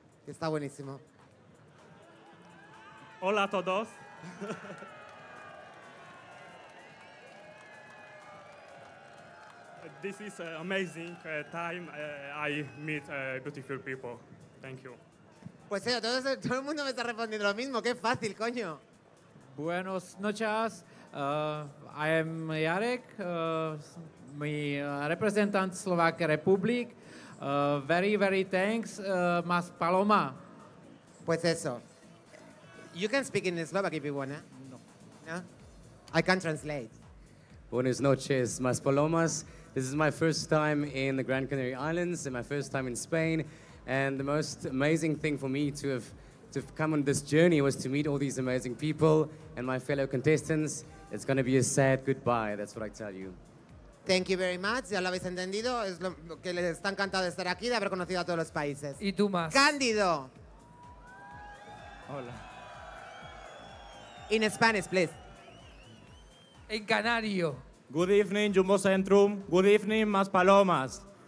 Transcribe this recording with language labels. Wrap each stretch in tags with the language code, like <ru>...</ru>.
<es>Está buenísimo. Hola a todos.</es> <en>This is an amazing time I meet beautiful people. Thank you.</en> <es>Pues eso, todo el mundo me está respondiendo lo mismo. Qué fácil, coño.</es> <en>Buenas noches. I am Jarek, my representant Slovak Republic. Very, very thanks, Maspaloma.</en> <es>Pues eso.</es> <en>You can speak in Slovak if you want, eh? No. No? I can translate.</en> <es>Buenas noches, Maspalomas.</es> <en>This is my first time in the Gran Canary Islands and my first time in Spain. And the most amazing thing for me to have come on this journey was to meet all these amazing people and my fellow contestants. It's going to be a sad goodbye, that's what I tell you. Thank you very much. Ya lo habéis entendido.</en> <es>Es lo que les está encantado de estar aquí, de haber conocido a todos los países. Y tú más. Cándido. Hola.</es> <en>In Spanish, please.</en> <es>En canario.</es> <en>Good evening, Jumbo Centrum. Good evening, Maspalomas.</en>